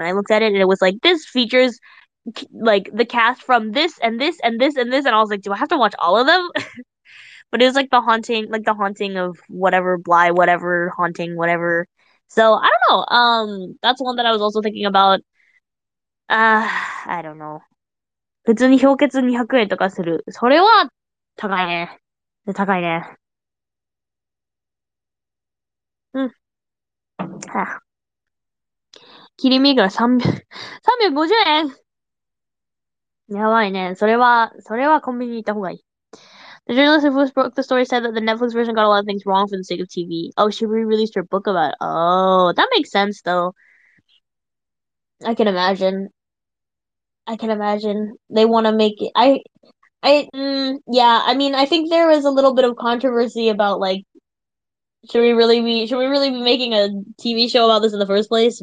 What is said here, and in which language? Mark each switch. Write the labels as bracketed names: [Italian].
[English] And I looked at it, and it was like, "This features like the cast from this and this and this and this," and I was like, "Do I have to watch all of them?" But it was like the haunting of whatever Bly, whatever haunting, whatever. So I don't know. That's one that I was also thinking about. I don't know. [Japanese] 普通に氷結200円とかする。それは高いね。高いね。うん。はあ。切り身が350円。やばいね。それはコンビニに行った方がいい。 [English] The journalist who broke the story said that the Netflix version got a lot of things wrong for the sake of TV. Oh, she re-released her book about it. Oh, that makes sense, though. I can imagine. They want to make it... I think there was a little bit of controversy about, like, should we really be making a TV show about this in the first place?